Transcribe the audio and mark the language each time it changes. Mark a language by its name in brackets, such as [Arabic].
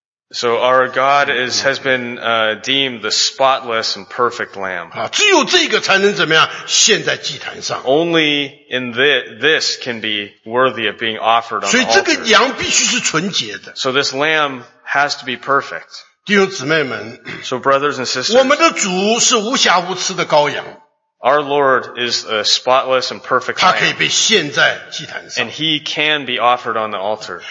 [English] So our God has been deemed the spotless and perfect lamb. [Chinese] 只有这个才能怎么样献在祭坛上。 [English] Only in this can be worthy of being offered on the altar. [Chinese] 所以这个羊必须是纯洁的。 [English] So this lamb has to be perfect. [Chinese] 弟兄姊妹们, [English] So brothers and sisters, [Chinese] 我们的主是无瑕无疵的羔羊。 [English] Our Lord is a spotless and perfect lamb. [Chinese] 他可以被献在祭坛上。 [English] And he can be offered on the altar.